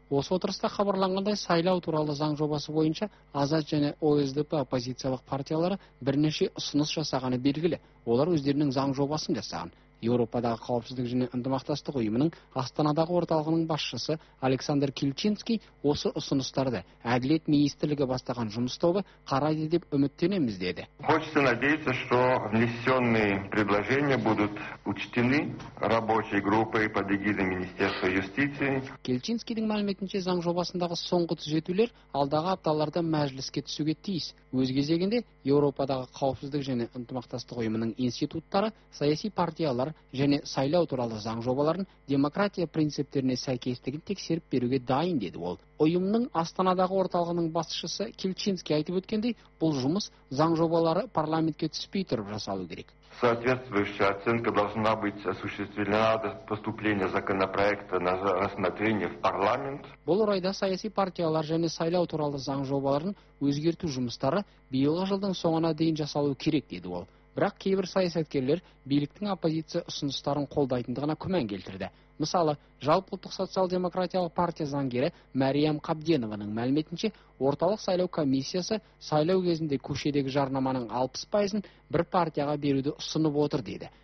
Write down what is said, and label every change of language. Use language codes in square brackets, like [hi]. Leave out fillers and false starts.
[kk] Осы отырыста хабарланғандай сайлау туралы заң жобасы бойынша Азат және ОСДП оппозициялық партиялары бірнеше ұсыныс жасағаны белгілі. Олар өздерінің заң жобасын жасаған. Еуропадағы қауіпсіздік және ынтымақтастық ұйымының Астанадағы орталығының басшысы Александр Кильчинский осы ұсыныстарды әділет министрлігі бастаған жұмыс тобы қарайды деп үміттенеміз деді. [ru] Хочется надеяться, что внесенные предложения будут учтены рабочей группой под эгидой Министерства юстиции. [kk] Кильчинскийдің мәліметінше заң жобасындағы соңғы түзетулер алдағы апталарда мәжіліске түсуге тиіс. Өз кезегінде Еуропадағы қауіпсіздік және ынтымақтастық ұйымының институттары саяси партиялар және сайлау туралы заң жобаларын демократия принциптеріне сәйкестігін тексеріп беруге дайын деді ол. Ұйымның Астанадағы орталығының басшысы Кильчинский айтып өткендей, бұл жұмыс заң жобалары парламентке түспей тұрып жасалу керек. [ru] Соответствующая оценка должна быть осуществлена до поступления законопроекта на рассмотрение в парламент. [kk] Бұл орайда саяси партиялар және сайлау туралы заң жобаларын өзгерту жұмыстары биылғы жылдың соңына дейін жасалу керек деді ол. Бірақ кейбір саясаткерлер биліктің оппозиция ұсыныстарын қолдайтындығына күмән келтірді. Мысалы, жалпыұлттық социал-демократиялық партия заңгері Мәриям Қабденованың мәліметінше, орталық сайлау комиссиясы сайлау кезінде көшедегі жарнаманың 60% бір партияға беруді ұсынып отыр деді.